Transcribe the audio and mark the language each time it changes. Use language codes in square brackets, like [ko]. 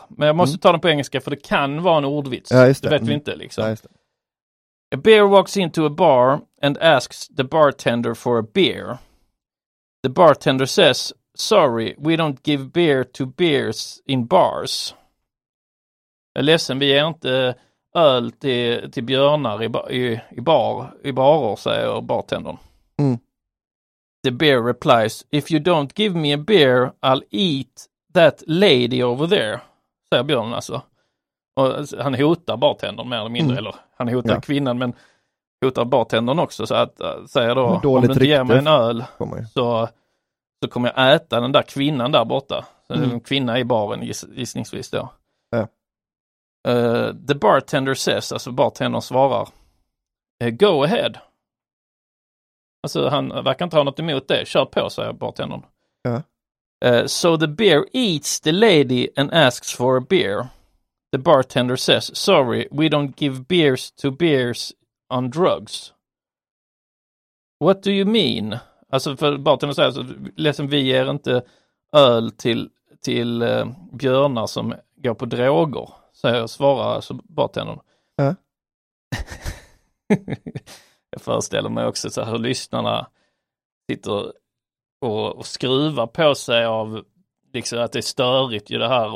[sv] Men jag måste ta den på engelska för det kan vara en ordvits. Ja, just det. Det vet vi inte liksom. Ja, just det. [en] A bear walks into a bar and asks the bartender for a beer. The bartender says, sorry, we don't give beer to bears in bars. [sv] Jag är ledsen, vi ger inte öl till björnar i barer, säger bartendern. Mm. [en] The bear replies, if you don't give me a beer, I'll eat that lady over there. [sv] Säger björnen alltså. Och han hotar bartendern mer eller mindre, eller han hotar kvinnan, men hotar bartendern också, så att säger då, om du inte ger mig en öl så kommer jag äta den där kvinnan där borta. Mm. En kvinna i baren, gissningsvis då. Ja. [en] The bartender says, [sv] alltså bartendern svarar, [en] go ahead. [sv] Alltså han verkar inte ha något emot det, kör på, säger bartendern. Ja. [en] So the bear eats the lady and asks for a beer. The bartender says, sorry, we don't give beers to bears on drugs. What do you mean? [sv] Alltså för bartender säger, liksom, vi ger inte öl till björnar som går på droger. Så jag svarar alltså bartendern. Jag föreställer mig också så här hur lyssnarna sitter och skruvar på sig av liksom, att det är störigt ju det här.